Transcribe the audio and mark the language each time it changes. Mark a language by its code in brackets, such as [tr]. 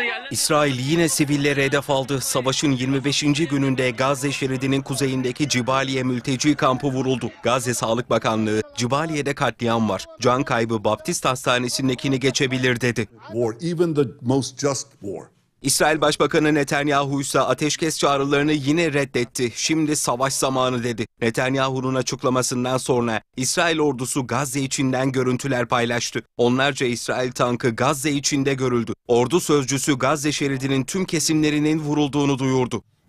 [tr] İsrail yine sivillere hedef aldı. Savaşın 25. gününde Gazze şeridinin kuzeyindeki Cibaliye mülteci kampı vuruldu. Gazze Sağlık Bakanlığı, Cibaliye'de katliam var. Can kaybı Baptist Hastanesi'ndekini geçebilir dedi. [en] War, even the most just war. [tr] İsrail Başbakanı Netanyahu ise ateşkes çağrılarını yine reddetti. Şimdi savaş zamanı dedi. Netanyahu'nun açıklamasından sonra İsrail ordusu Gazze içinden görüntüler paylaştı. Onlarca İsrail tankı Gazze içinde görüldü. Ordu sözcüsü Gazze şeridinin tüm kesimlerinin vurulduğunu duyurdu.